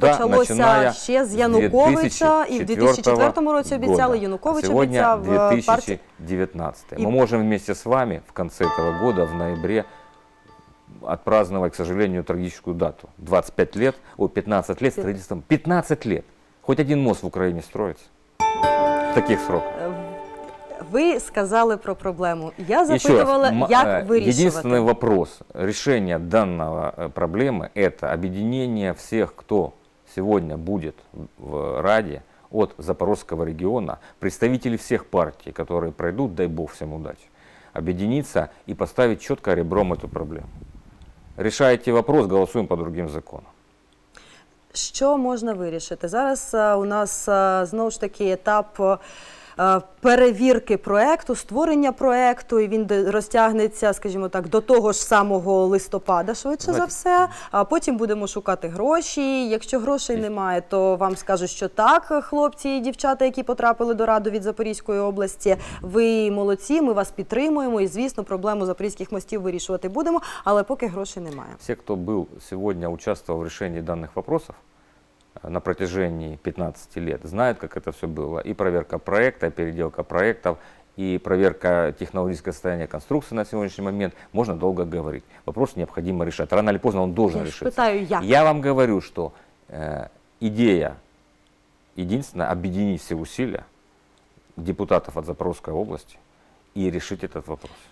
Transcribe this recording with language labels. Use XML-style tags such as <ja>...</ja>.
<ru>это началось еще с Януковича, и в 2004 году обещали, Янукович сегодня обещал. Сегодня 2019. Мы можем вместе с вами в конце этого года, в ноябре, отпраздновать, к сожалению, трагическую дату. 25 лет, о, 15 лет строительством. 15 лет! Хоть один мост в Украине строится. В таких сроках.</ru> <uk>Ви сказали про проблему. Я запитувала, як вирішувати. Єдиний вопрос рішення даної проблеми – це об'єднання всіх, хто сьогодні буде в Раді, від Запорізького регіону, представників всіх партій, які пройдуть, дай Бог всім удачі, об'єднитися і поставити чітко ребром цю проблему. Рішайте питання, голосуємо по іншим законам. Що можна вирішити? Зараз у нас, знову ж таки, етап перевірки проєкту, створення проєкту, і він розтягнеться, скажімо так, до того ж самого листопада, швидше за все, а потім будемо шукати гроші. Якщо грошей немає, то вам скажуть, що так, хлопці і дівчата, які потрапили до Раду від Запорізької області, ви молодці, ми вас підтримуємо, і, звісно, проблему запорізьких мостів вирішувати будемо, але поки грошей немає. Всі, хто був сьогодні, участвував в рішенні даних питань,</uk> <ru>на протяжении 15 лет, знают, как это все было. И проверка проекта, и переделка проектов, и проверка технологического состояния конструкции на сегодняшний момент. Можно долго говорить. Вопрос необходимо решать. Рано или поздно он должен решиться. Я вам говорю, что идея единственная – объединить все усилия депутатов от Запорожской области и решить этот вопрос.</ru>